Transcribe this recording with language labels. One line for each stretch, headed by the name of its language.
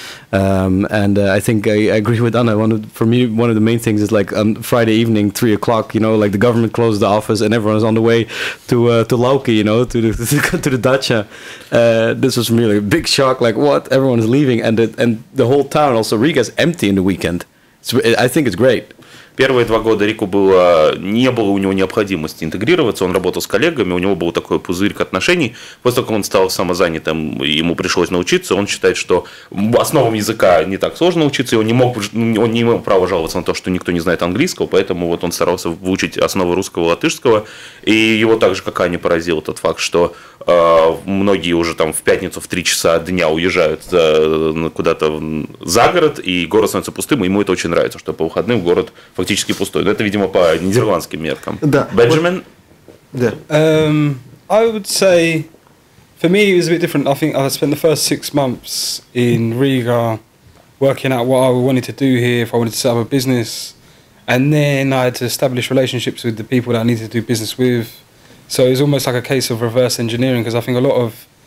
English: I think I agree with Anna. One of the main things is like on Friday evening, 3 o'clock, you know, like the government closed the office and everyone's on the way to Lauki, you know, to the dacha. This was really a big shock. Like, what? Everyone is leaving, and the whole town, also Riga, is empty in the weekend. I think it's great.
Russian: Первые 2 года Рику было, не было у него необходимости интегрироваться, он работал с коллегами, у него был такой пузырь отношений. После того, как он стал самозанятым, ему пришлось научиться, он считает, что основам языка не так сложно учиться, и он не имел права жаловаться на то, что никто не знает английского, поэтому вот он старался выучить основы русского и латышского. И его также, как Аня, поразил тот факт, что многие уже там в пятницу в 3 часа дня уезжают куда-то за город, и город становится пустым, и ему это очень нравится, что по выходным город фактически пустой. Но это, видимо, по нидерландским меркам. Да. Бенджамин? Да.
English: I would say, for me, it was a bit different. I think I spent the first 6 months in Riga working out what I wanted to do here, if I wanted to set up a business. And then I had to establish relationships with the people that I needed to do business with. So it was almost like a case of reverse engineering, because I think a lot of